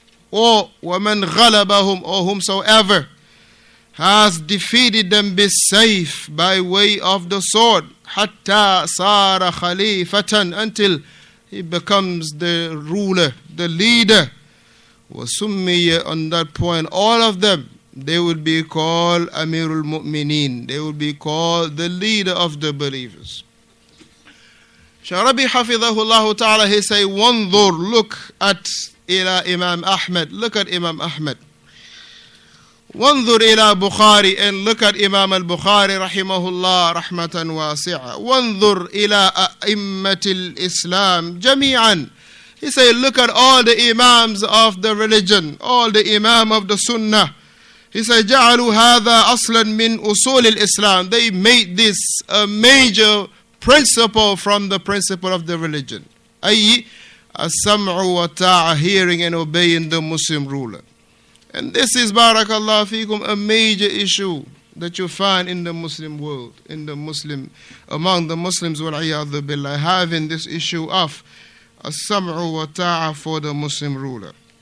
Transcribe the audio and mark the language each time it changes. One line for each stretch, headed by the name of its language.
English: Or
Arabic: ومن غلبهم,
English: or whomsoever has defeated them
Arabic: بالسيف,
English: by way of the sword,
Arabic: حتى صار خليفة,
English: until he becomes the ruler, the leader.
Arabic: وسمي,
English: on that point, all of them, they will be called
Arabic: أمير المؤمنين.
English: They will be called the leader of the believers.
Arabic: شربي حفظه الله تعالى,
English: he say,
Arabic: وانظر,
English: look at
Arabic: إلى إمام أحمد, look at إمام أحمد. وانظر إلى بخاري,
English: and look at
Arabic: إمام البخاري رحمه الله رحمة واسعة. وانظر إلى أئمة الإسلام جميعا.
English: He say, look at all the imams of the religion, all the imam of the sunnah. He say,
Arabic: جعلوا هذا أصلا من أصول الإسلام.
English: They made this a major principle from the principle of the religion.
Arabic: أي السمع وطاعة,
English: hearing and obeying the Muslim ruler. And this is, barakallahu fikum, a major issue that you find in the Muslim world, in the Muslim, among the Muslims,
Arabic: wal'iyadhu billah,
English: having this issue of
Arabic: as-sam'u wa ta'a
English: for the Muslim ruler.